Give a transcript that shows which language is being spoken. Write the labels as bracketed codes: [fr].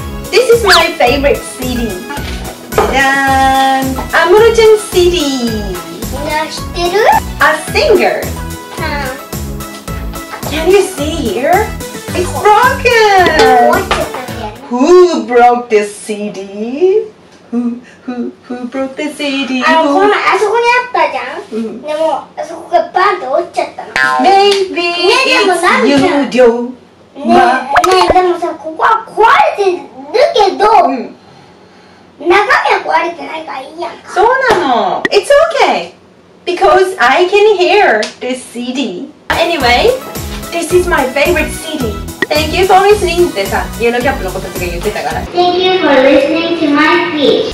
[en] This is my favorite city. [ja] じゃーん、アムロちゃん City。みんな知ってる？ [en] A singer。 Can you see here? It's broken! Who broke this CD? Who broke the CD? [ja] あそこにあったじゃん、うん、でもあそこがバンって落ちちゃったの。 [en] Maybe [ja] ね、でもなんじゃん、 [en] it's you, Joe、 [ja] ねえ、でもさ、ここは壊れてるけど、うん、中身は壊れてないからいいやんか。そうなの。 [en] It's okay because I can hear this CD. Anyway, this is my favorite CD. Thank you for listening [ja] ってさ、イエローキャップの子たちが言ってたから。 [en] Thank you for listening to my speech.